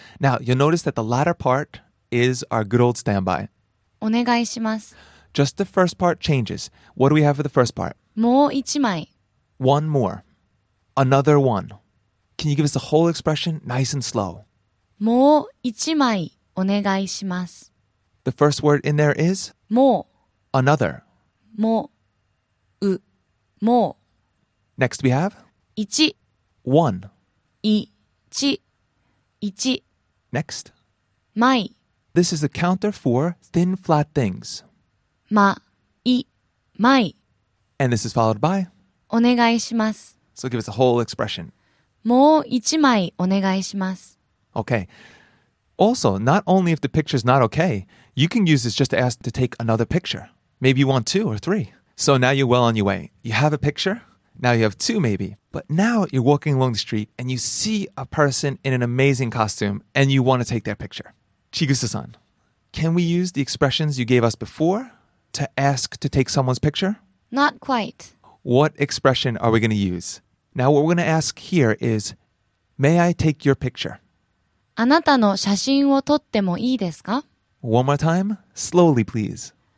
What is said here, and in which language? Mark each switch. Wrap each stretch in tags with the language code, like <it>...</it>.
<en>Now, you'll notice that the latter part is our good old standby.</en> <ja>お願いします.</ja> <en>Just the first part changes. What do we have for the first part?</en> <ja>もう一枚.</ja> <en>One more. Another one. Can you give us the whole expression nice and slow?</en> <ja>もう一枚お願いします.</ja> <en>The first word in there is?</en> <ja>もう.</ja> <en>Another.</en> <ja>もう.う.もう.</ja> <en>Next we have?</en> <ja>一.</ja> <en>One.</en> <ja>一.一.</ja> <en>Next?</en> <ja>枚.</ja> <en>This is the counter for thin, flat things.</en> <ja>ま.い.枚.</ja> <en>And this is followed by?</en> <ja>お願いします.</ja> <en>So give us a whole expression.</en> <ja>もう一枚お願いします.</ja> <en>Okay. Also, not only if the picture's not okay, you can use this just to ask to take another picture. Maybe you want two or three. So now you're well on your way. You have a picture. Now you have two maybe. But now you're walking along the street and you see a person in an amazing costume and you want to take their picture. Chigusa-san, can we use the expressions you gave us before to ask to take someone's picture? Not quite. What expression are we going to use? Now, what we're going to ask here is, may I take your picture?</en> <ja>あなたの写真を撮ってもいいですか?</ja> <en>One more time, slowly please.</en>